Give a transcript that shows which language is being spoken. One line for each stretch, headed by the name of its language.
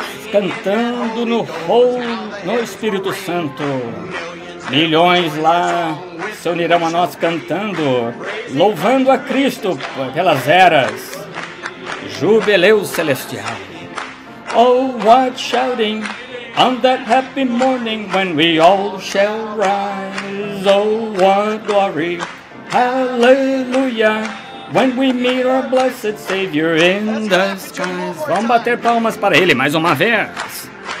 Portuguese: Cantando no Espírito Santo. Milhões lá se unirão a nós cantando, louvando a Cristo pelas eras. Jubileu celestial.
English: Oh, what shouting on that happy morning when we all shall rise. Oh, what glory, hallelujah, when we meet our blessed Savior in the skies.
Portuguese: Vamos bater palmas para Ele mais uma vez.